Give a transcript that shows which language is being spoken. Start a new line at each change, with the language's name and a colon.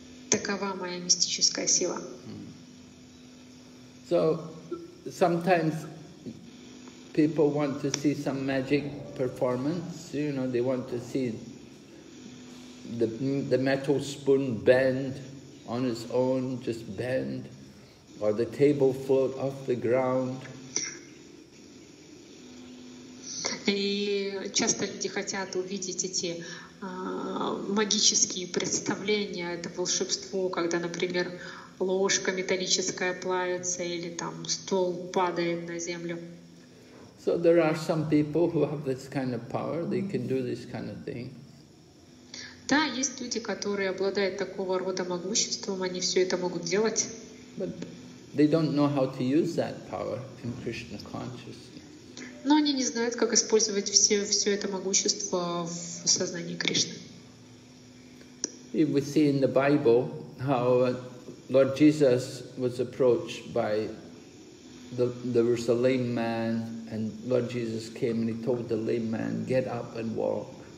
Russian: Такова моя мистическая сила.
English: So, sometimes people want to see some magic performance, you know, they want to see the metal spoon bend on its own, just bend, or the table float off the ground.
Russian: И часто люди хотят увидеть эти магические представления, это волшебство, когда, например, ложка металлическая плавится или там стол падает на землю.
English: So there are some people who have this kind of power, they can do this kind of thing.
Russian: Да, есть люди, которые обладают такого рода могуществом, они все это могут делать.
English: But they don't know how to use that power in Krishna consciousness.
Russian: Но они не знают, как использовать все это могущество в сознании Кришны.
English: If we see in the Bible how Lord Jesus was approached by there was a lame man, and Lord Jesus came and he told the lame man, get up and walk.